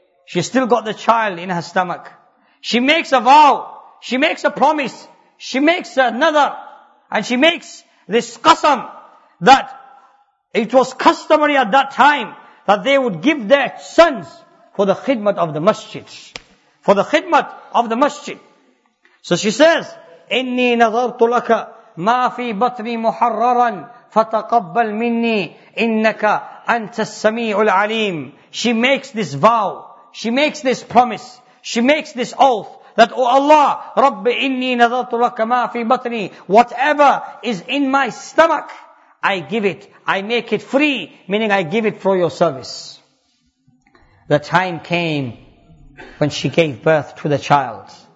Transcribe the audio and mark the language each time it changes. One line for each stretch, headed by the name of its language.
English: She still got the child in her stomach. She makes a vow. She makes a promise. She makes another. And she makes this qasam that it was customary at that time that they would give their sons for the khidmat of the masjid. For the khidmat of the masjid.
Arabic: So she says, إِنِّي نَظَرْتُ لَكَ مَا فِي بَطْنِي مُحَرَّرًا فَتَقَبَّلْ مِنِّي إِنَّكَ أَنْتَ السَّمِيعُ الْعَلِيمُ.
English: She makes this vow. She makes this promise. She makes this oath that, O Allah,
Arabic: رَبِّ إِنِّي نَظَرْتُ لَكَ مَا فِي بَطْنِي,
English: whatever is in my stomach, I give it. I make it free, meaning I give it for your service. The time came when she gave birth to the child.